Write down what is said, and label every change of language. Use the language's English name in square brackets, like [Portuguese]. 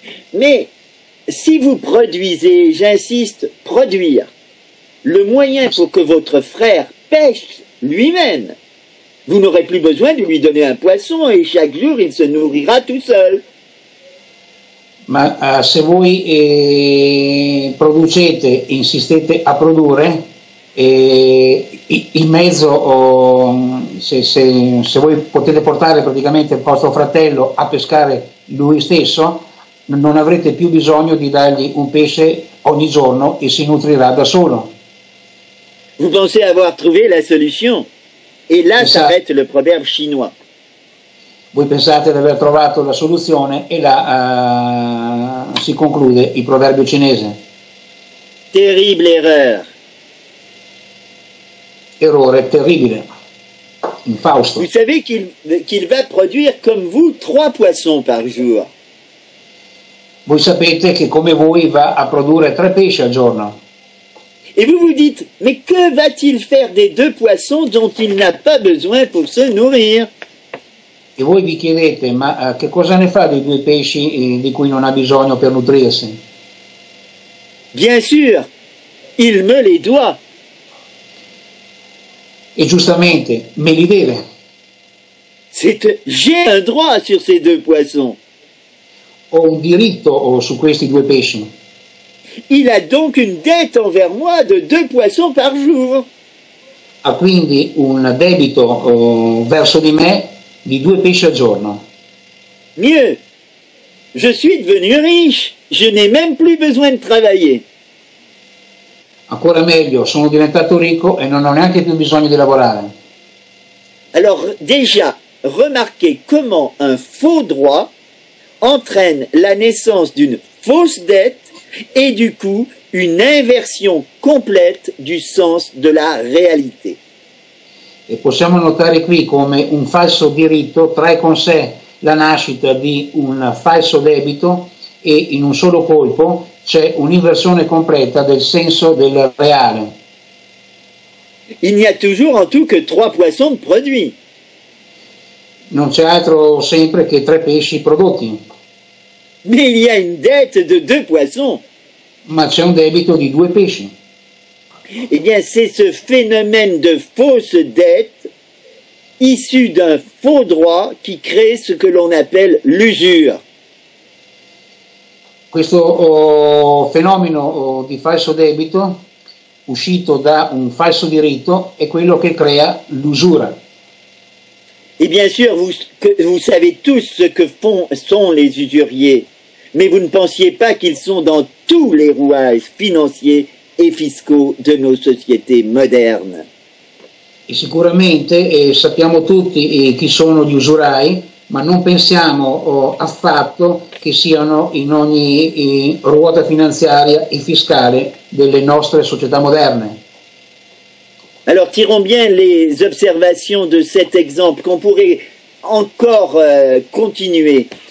[French] Mais si vous produisez, j'insiste, produire, le moyen pour que votre frère pêche lui-même, vous n'aurez plus besoin de lui donner un poisson et chaque jour il se nourrira tout seul. [Italian] Ma se voi producete, insistete a produrre, il mezzo se voi potete portare praticamente il vostro fratello a pescare lui stesso, non avrete più bisogno di dargli un pesce ogni giorno e si nutrirà da solo. [French] Vous pensez avoir trouvé la solution et là s'arrête le proverbe chinois. [Italian] Voi pensate di aver trovato la soluzione e là si conclude il proverbio cinese. [French] Terrible erreur. [Italian] Errore terribile, in Fausto. [French] Vous savez qu'il va produire comme vous 3 poissons par jour. [Italian] Voi sapete che come voi va a produrre 3 pesci al giorno. [French] Et vous vous dites, mais que va-t-il faire des 2 poissons dont il n'a pas besoin pour se nourrir? [Italian] E voi vi chiedete, ma che cosa ne fa dei due pesci di cui non ha bisogno per nutrirsi? [French] Bien sûr, il me les doit. [Italian] E giustamente, me li deve. [French] J'ai un droit sur ces deux poissons. [Italian] Ho un diritto su questi due pesci. [French] Il a donc une dette envers moi de deux poissons par jour. [Italian] Ha quindi un debito verso di me di due pesci al giorno. [French] Mieux, je suis devenu riche, je n'ai même plus besoin de travailler. [Italian] Ancora meglio, sono diventato ricco e non ho neanche più bisogno di lavorare. [French] Alors déjà, remarquez comment un faux droit entraîne la naissance d'une fausse dette et du coup une inversion complète du sens de la réalité. [Italian] E possiamo notare qui come un falso diritto trae con sé la nascita di un falso debito e in un solo colpo c'è un'inversione completa del senso del reale. [French] Il n'y a toujours en tout que trois poissons produits. [Italian] Non c'è altro sempre che tre pesci prodotti. [French] Mais il y a une dette de deux poissons. [Italian] Ma c'è un debito di due pesci. [French] Eh bien, c'est ce phénomène de fausse dette issu d'un faux droit qui crée ce que l'on appelle l'usure. [Italian] Questo fenomeno di falso debito uscito da un falso diritto è quello che crea l'usura. [French] Et bien sûr, vous savez tous ce que sont les usuriers, mais vous ne pensiez pas qu'ils sont dans tous les rouages financiers et fiscaux de nos sociétés modernes. [Italian] Et sicuramente sappiamo tutti chi sono gli usurai, ma non pensiamo affatto che siano in ogni ruota finanziaria e fiscale delle nostre società moderne. [French] Alors tirons bien les observations de cet exemple qu'on pourrait encore continuer.